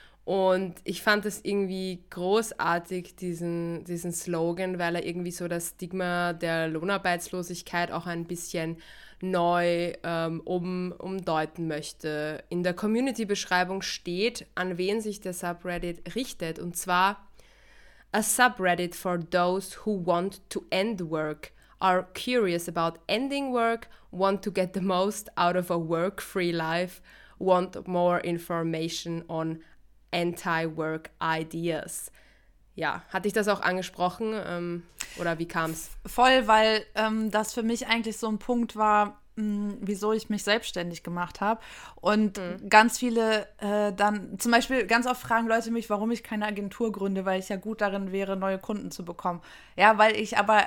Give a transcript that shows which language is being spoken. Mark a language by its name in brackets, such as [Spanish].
[German] Und ich fand das irgendwie großartig, diesen Slogan, weil er irgendwie so das Stigma der Lohnarbeitslosigkeit auch ein bisschen neu umdeuten möchte. In der Community-Beschreibung steht, an wen sich der Subreddit richtet. Und zwar, [English] a subreddit for those who want to end work, are curious about ending work, want to get the most out of a work-free life, want more information on anti-work ideas. [German] Ja, hatte ich das auch angesprochen oder wie kam's? Voll, weil das für mich eigentlich so ein Punkt war, wieso ich mich selbstständig gemacht habe. Und ganz viele dann, zum Beispiel ganz oft fragen Leute mich, warum ich keine Agentur gründe, weil ich ja gut darin wäre, neue Kunden zu bekommen. Ja, weil ich